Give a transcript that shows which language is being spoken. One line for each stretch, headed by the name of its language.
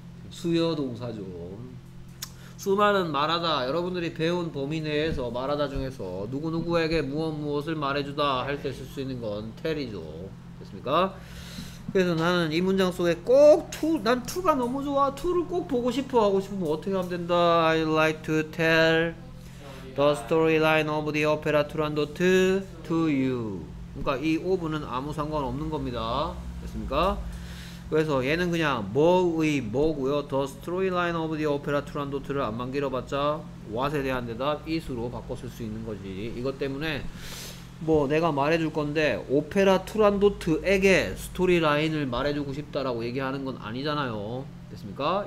Korean: 수여 동사죠. 수많은 말하다 여러분들이 배운 범위 내에서 말하다 중에서 누구누구에게 무엇무엇을 말해주다 할 때 쓸 수 있는 건 tell이죠. 됐습니까? 그래서 나는 이 문장 속에 꼭 to 난 to가 너무 좋아. to를 꼭 보고 싶어 하고 싶으면 어떻게 하면 된다?
English: I'd like to tell the storyline of the opera Turandot to you.
Korean: 그러니까 이 오브는 아무 상관 없는 겁니다. 됐습니까? 그래서 얘는 그냥 뭐의 뭐고요.
English: The storyline of the opera Turandot
Korean: 를 안만 길어봤자 what에 대한 대답 is로 바꿨을 수 있는 거지. 이것 때문에 뭐 내가 말해줄 건데 오페라 투란도트에게 스토리라인을 말해주고 싶다라고 얘기하는 건 아니잖아요. 됐습니까?